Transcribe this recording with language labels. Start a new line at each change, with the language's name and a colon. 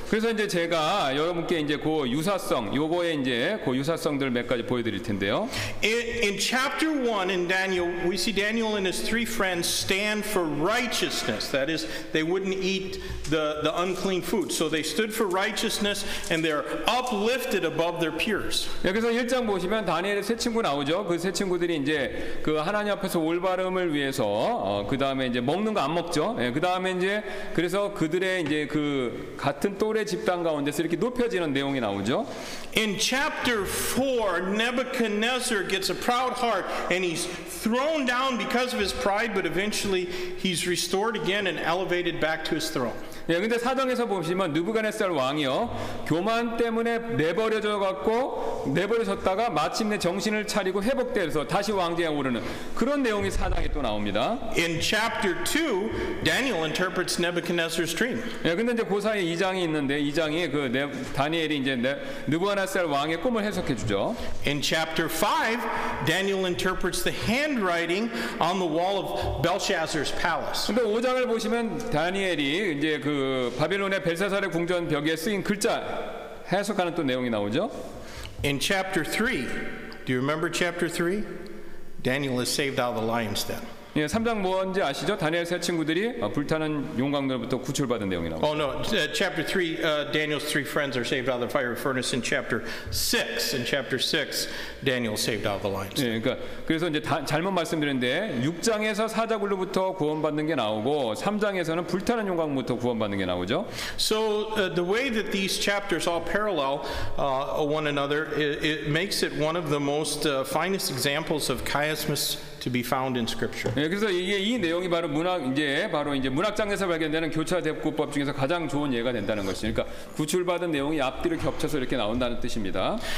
Korean: 그래서 이제 제가 여러분께 이제 그 유사성, 요거의 이제 그 유사성들을 몇 가지 보여드릴 텐데요.
English: In chapter 1 in Daniel, we see Daniel and his three friends stand for righteousness. That is, they wouldn't eat the unclean food. So they stood for righteousness. And they're uplifted above their peers.
Korean: 여기서 1장 보시면 다니엘의 세 친구 나오죠. 그 세 친구들이 이제 그 하나님 앞에서 올바름을 위해서 그 다음에 이제 먹는 거 안 먹죠. 예, 그 다음에 이제 그래서 그들의 이제 그 같은 또래 집단 가운데서 이렇게 높여지는 내용이 나오죠.
English: In chapter 4, Nebuchadnezzar gets a proud heart and he's thrown down because of his pride, but eventually he's restored again and elevated back to his throne.
Korean: 예, 근데 4장에서 보시면 느부갓네살 왕이요. 교만 때문에 내버려져 갖고 내버려졌다가 마침내 정신을 차리고 회복돼서 다시 왕좌에 오르는 그런 내용이 4장에 또 나옵니다.
English: In chapter 2, Daniel interprets Nebuchadnezzar's dream.
Korean: 예, 근데 이제 그 사이에 2장이 있는데 2장이 그 다니엘이 이제 느부갓네살 왕의 꿈을 해석해 주죠.
English: In chapter 5, Daniel interprets the handwriting on the wall of Belshazzar's palace.
Korean: 근데 5장을 보시면 다니엘이 이제 그 바빌론의 벨사살의 궁전 벽에 쓰인 글자 해석하는 또 내용이 나오죠.
English: In chapter 3, do you remember chapter 3? Daniel is saved out of the lion's den.
Korean: 예, 3장 뭔지 아시죠? 다니엘 세 친구들이 불타는 용광로부터 구출받은 내용이 나옵니다.
English: Oh no, chapter 3, Daniel's three friends are saved out of the fiery furnace. In chapter 6, Daniel saved out of the lions.
Korean: 예, 그러니까 그래서 이제 잘못 말씀드렸는데 6장에서 사자굴로부터 구원받는 게 나오고 3장에서는 불타는 용광로부터 구원받는 게 나오죠.
English: So the way that these chapters all parallel one another, it makes it one of the most finest examples of chiasmus to be found in scripture.
Korean: 예, 그래서 이게 이 내용이 바로 문학 이제 바로 이제 문학장에서 발견되는 교차 대꾸법 중에서 가장 좋은 예가 된다는 것이. 그러니까 구출받은 내용이 앞뒤를 겹쳐서 이렇게 나온다는 뜻입니다.